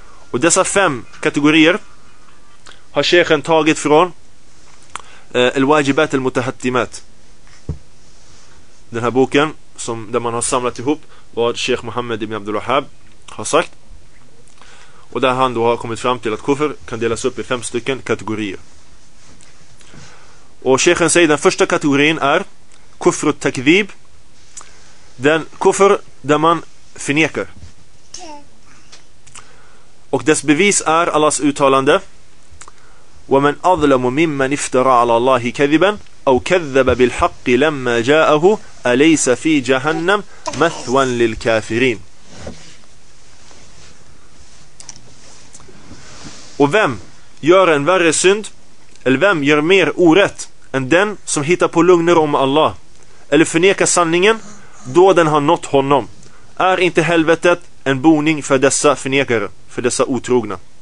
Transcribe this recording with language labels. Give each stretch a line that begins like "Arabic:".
Swedish: Och dessa fem kategorier har sheikhen tagit från Al-Wajibat Al-Mutahattimat, den här boken som, där man har samlat ihop vad Sheikh Mohammed ibn Abdul Wahhab har sagt. Och där han då har kommit fram till att kuffer kan delas upp i fem stycken kategorier. Och sheikhen säger den första kategorin är kufr takdib, den kufr där man förnekar. Och dess bevis är Allahs uttalande:
Arabic: وَمَنْ أَظْلَمُ مِمَّنْ افْتَرَى عَلَى اللَّهِ كَذِبًا أَوْ كَذَّبَ بِالْحَقِّ لَمَّا جَاءَهُ أَلَيْسَ فِي جَهَنَّمْ مَثْوًا لِلْكَافِرِينَ.
Swedish: Och vem gör en värre synd, eller vem gör mer orätt än den som hittar på lögner om Allah eller förnekar sanningen då den har nått honom? Är inte helvetet en boning för dessa förnekare, för dessa otrogna?